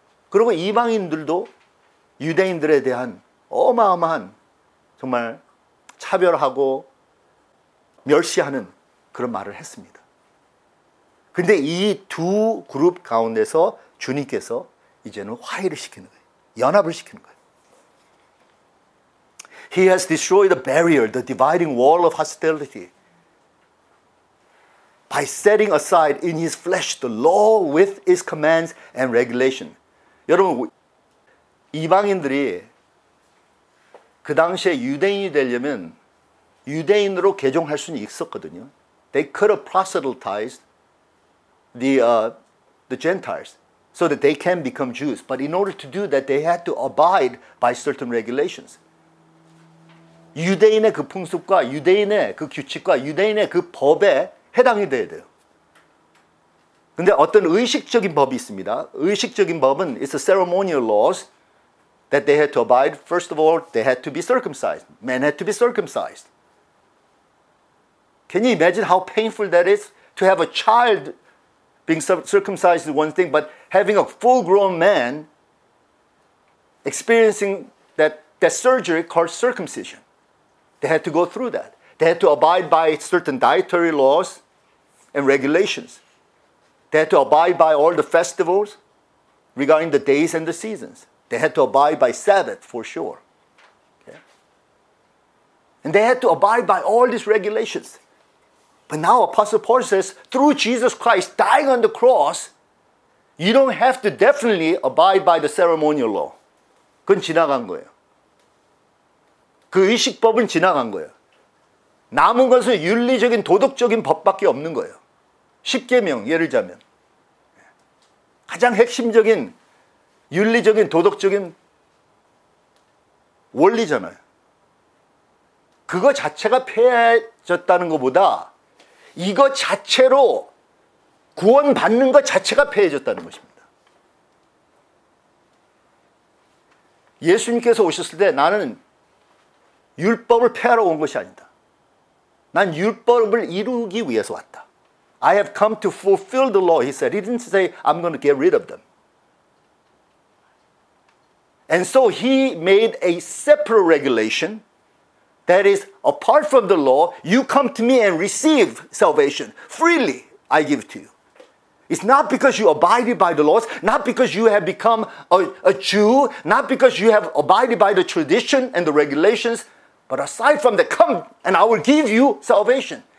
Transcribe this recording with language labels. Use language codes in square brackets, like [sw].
[ko] 그리고 이방인들도 유대인들에 대한 어마어마한 정말 차별하고 멸시하는 그런 말을 했습니다. 그런데 이 두 그룹 가운데서 주님께서 이제는 화해를 시키는 거예요. 연합을 시키는 거예요. [en] He has destroyed the barrier, the dividing wall of hostility by setting aside in his flesh the law with its commands and regulation. [ko] 여러분, 이방인들이 그 당시에 유대인이 되려면 유대인으로 개종할 수는 있었거든요. [en] They could have proselytized the Gentiles so that they can become Jews. But in order to do that, they had to abide by certain regulations. [ko] 유대인의 그 풍습과 유대인의 그 규칙과 유대인의 그 법에 해당이 돼야 돼요. 근데 어떤 의식적인 법이 있습니다. 의식적인 법은 [en] it's a ceremonial laws that they had to abide. First of all, they had to be circumcised. Men had to be circumcised. Can you imagine how painful that is to have a child being circumcised is one thing, but having a full-grown man experiencing that surgery called circumcision. They had to go through that. They had to abide by certain dietary laws and regulations. They had to abide by all the festivals regarding the days and the seasons. They had to abide by Sabbath for sure. Okay. And they had to abide by all these regulations. But now Apostle Paul says, through Jesus Christ dying on the cross, you don't have to definitely abide by the ceremonial law. [ko] 그건 지나간 거예요. 그 의식법은 지나간 거예요. 남은 것은 윤리적인 도덕적인 법밖에 없는 거예요. 십계명 예를 들자면 가장 핵심적인 윤리적인 도덕적인 원리잖아요. 그거 자체가 폐해졌다는 것보다 이거 자체로 구원받는 것 자체가 폐해졌다는 것입니다. 예수님께서 오셨을 때 나는 율법을 폐하러 온 것이 아니다. 난 율법을 이루기 위해서 왔다. [en] I have come to fulfill the law, he said. He didn't say, I'm going to get rid of them. And so he made a separate regulation. That is, apart from the law, you come to me and receive salvation. Freely, I give to you. It's not because you abided by the laws, not because you have become a Jew, not because you have abided by the tradition and the regulations, but aside from that, come and I will give you salvation.